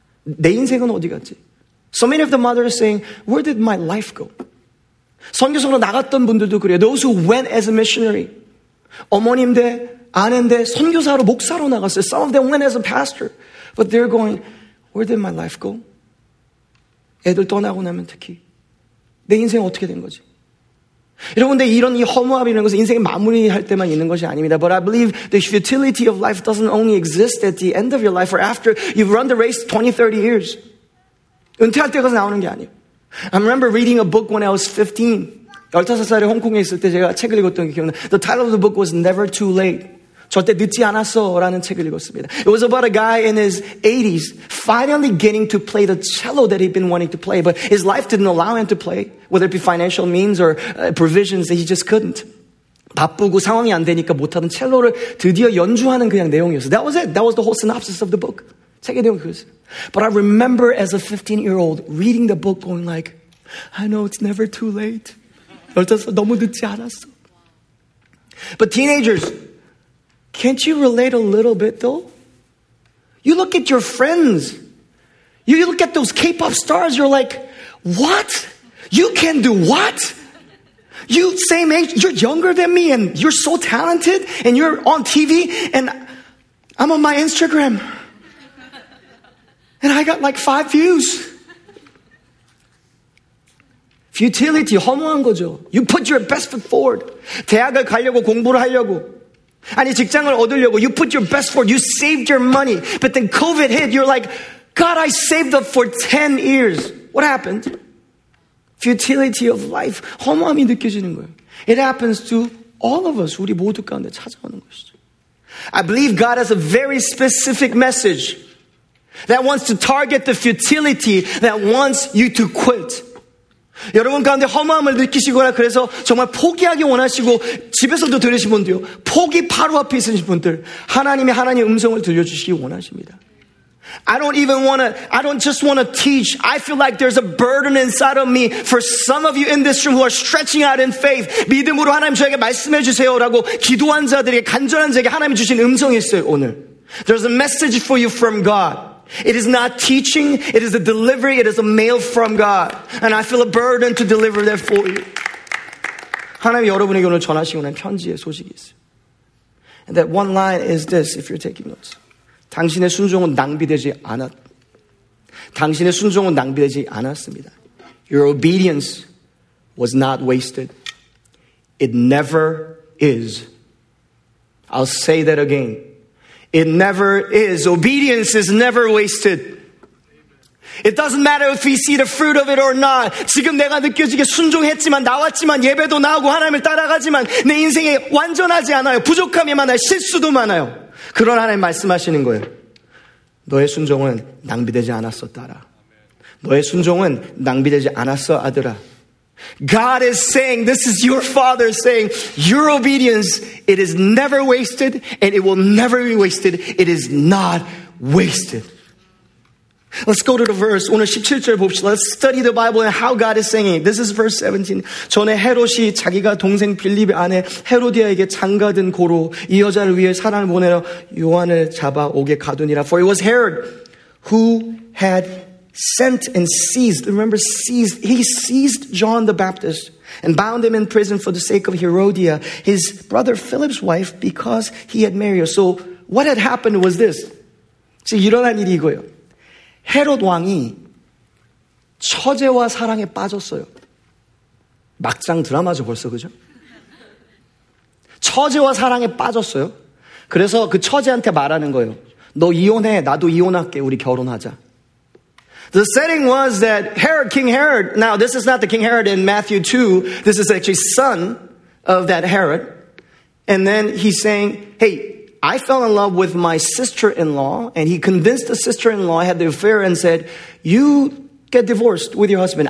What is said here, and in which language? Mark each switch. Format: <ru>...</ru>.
<ko>내 인생은 어디 갔지?</ko> <en>So many of the mothers saying, where did my life go?</en> <ko>선교사로 나갔던 분들도 그래요.</ko> <en>Those who went as a missionary.</en> <ko>어머님대, 아내인데 선교사로, 목사로 나갔어요.</ko> <en>Some of them went as a pastor. But they're going, where did my life go?</en> <ko>애들 떠나고 나면 특히. 내 인생 어떻게 된 거지? 여러분, 근데 이런 이 허무함이라는 것은 인생의 마무리할 때만 있는 것이 아닙니다.</ko> <en>But I believe the futility of life doesn't only exist at the end of your life or after you've run the race 20, 30 years.</en> <ko>은퇴할 때 가서 나오는 게 아니에요.</ko> <en>I remember reading a book when I was 15.</en> <ko>15살에 홍콩에 있을 때 제가 책을 읽었던 게 기억나요.</ko> <en>The title of the book was Never Too Late.</en> <ko>절대 늦지 않았어라는 책을 읽었습니다.</ko> <en>It was about a guy in his 80s finally getting to play the cello that he'd been wanting to play, but his life didn't allow him to play, whether it be financial means or provisions that he just couldn't.</en> <ko>바쁘고 상황이 안 되니까 못하던 첼로를 드디어 연주하는 그냥 내용이었어요.</ko> <en>That was it. That was the whole synopsis of the book.</en> <ko>책의 내용이 그랬어요.</ko> <en>But I remember as a 15-year-old reading the book going like, I know it's never too late.</en> <ko>15살 너무 늦지 않았어.</ko> <en>But teenagers, can't you relate a little bit though? You look at your friends. You look at those K-pop stars. You're like, what? You can do what? You same age. You're younger than me and you're so talented and you're on TV and I'm on my Instagram. And I got like 5 views. Futility.</en> <ko>허무한 거죠.</ko> <en>You put your best foot forward.</en> <ko>대학을 가려고 공부를 하려고. 아니 직장을 얻으려고</ko> <en>you put your best forward, you saved your money, but then COVID hit, you're like, God, I saved up for 10 years. What happened? Futility of life.</en> <ko>허무함이 느껴지는 거예요.</ko> <en>It happens to all of us,</en> <ko>우리 모두 가운데 찾아오는 것이죠.</ko> <en>I believe God has a very specific message that wants to target the futility that wants you to quit.</en> <ko>여러분 가운데 허무함을 느끼시거나 그래서 정말 포기하기 원하시고 집에서도 들으신 분들요. 포기 바로 앞에 있으신 분들. 하나님이 하나님의 음성을 들려주시기 원하십니다.</ko> <en>I don't just want to teach. I feel like there's a burden inside of me for some of you in this room who are stretching out in faith.</en> <ko>믿음으로 하나님 저에게 말씀해 주세요라고 기도한 자들에게 간절한 자에게 하나님이 주신 음성이 있어요, 오늘.</ko> <en>There's a message for you from God. It is not teaching, it is a delivery, it is a mail from God. And I feel a burden to deliver that for you.</en> <ko>하나님 여러분에게 오늘 전하시는 편지의 소식이 있어요.</ko> <en>And that one line is this, if you're taking notes.</en> <ko>당신의 순종은 낭비되지 않았 당신의 순종은 낭비되지 않았습니다.</ko> <en>Your obedience was not wasted. It never is. I'll say that again. It never is. Obedience is never wasted. It doesn't matter if we see the fruit of it or not.</en> <ko>지금 내가 느껴지게 순종했지만 나왔지만 예배도 나오고 하나님을 따라가지만 내 인생에 완전하지 않아요. 부족함이 많아요. 실수도 많아요. 그런 하나님 말씀하시는 거예요. 너의 순종은 낭비되지 않았어, 따라. 너의 순종은 낭비되지 않았어, 아들아.</ko> <en>God is saying, this is your father saying, your obedience, it is never wasted and it will never be wasted. It is not wasted. Let's go to the verse.</en> <ko>오늘 17절 봅시다.</ko> <en>Let's study the Bible and how God is saying it. This is verse 17.</en> <ko>전에 헤롯이 자기가 동생 빌립의 아내 헤로디아에게 장가든 고로 이 여자를 위해 사람을 보내러 요한을 잡아 오게 가두니라.</ko> <en>For it was Herod who had sent and seized. Remember, seized. He seized John the Baptist and bound him in prison for the sake of Herodia, his brother Philip's wife, because he had married her. So what had happened was this.</en> <ko>지금 일어난 일이 이거예요. 헤롯 왕이 처제와 사랑에 빠졌어요. 막장 드라마죠, 벌써, 그죠? 처제와 사랑에 빠졌어요. 그래서 그 처제한테 말하는 거예요. 너 이혼해, 나도 이혼할게, 우리 결혼하자.</ko> <en>The setting was that Herod, King Herod, now this is not the King Herod in Matthew 2, this is actually son of that Herod. And then he's saying, hey, I fell in love with my sister-in-law, and he convinced the sister-in-law, had the affair, and said, you get divorced with your husband.</en>